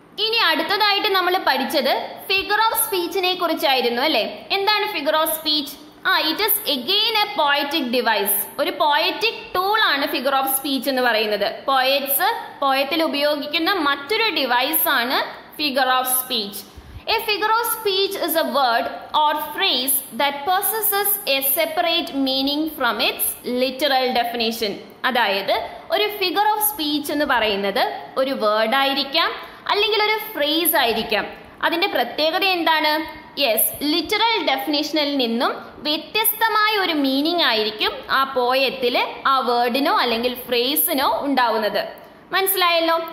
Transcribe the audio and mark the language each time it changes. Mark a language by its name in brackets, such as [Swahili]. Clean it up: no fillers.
[Malayalam] ഇനി അടുത്തതായിട്ട് നമ്മൾ പഠിച്ചത് ഫിഗർ ഓഫ് സ്പീച്ചിനെ കുറിച്ചായിരുന്നു അല്ലേ. [English] എന്താണ് figure of speech? Ah, it is again a poetic device. [Malayalam] ഒരു പോയറ്റിക് ടൂൾ ആണ് ഫിഗർ ഓഫ് സ്പീച്ച് എന്ന് പറയുന്നത്. പോയറ്റ്സ് പോയറ്റിൽ ഉപയോഗിക്കുന്ന മറ്റൊരു ഡിവൈസ് ആണ് figure of speech. [English] A figure of speech is a word or phrase that possesses a separate meaning from its literal definition. [Malayalam] അതായത് ഒരു figure of speech എന്ന് പറയുന്നത് ഒരു വേർഡ് ആയിരിക്കാം അല്ലെങ്കിൽ ഒരു ഫ്രേസ് ആയിരിക്കാം. അതിൻ്റെ പ്രത്യേകത എന്താണ്? യെസ്, ലിറ്ററൽ ഡെഫിനേഷനിൽ നിന്നും വ്യത്യസ്തമായ ഒരു മീനിങ് ആയിരിക്കും ആ പോയത്തിൽ ആ വേർഡിനോ അല്ലെങ്കിൽ ഫ്രേസിനോ ഉണ്ടാവുന്നത്. മനസ്സിലായല്ലോ.